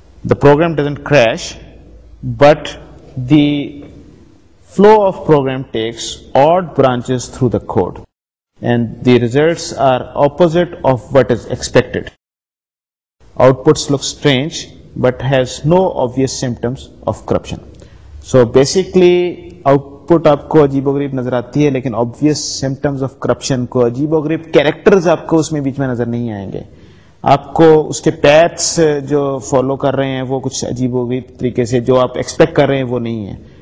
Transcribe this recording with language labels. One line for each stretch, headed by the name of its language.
English: The program doesn't crash but the flow of program takes odd branches through the code and the results are opposite of what is expected. Outputs look strange but has no obvious symptoms of corruption. So basically output
Urdu: آپ کو عجیب و غریب نظر آتی ہے، لیکن
English: obvious symptoms of corruption
Urdu: کو عجیب و غریب کیریکٹرز آپ کو اس میں بیچ میں نظر نہیں آئیں گے. آپ کو اس کے پیتھس جو فالو کر رہے ہیں وہ کچھ عجیب و غریب طریقے سے جو آپ ایکسپیکٹ کر رہے ہیں وہ نہیں ہیں.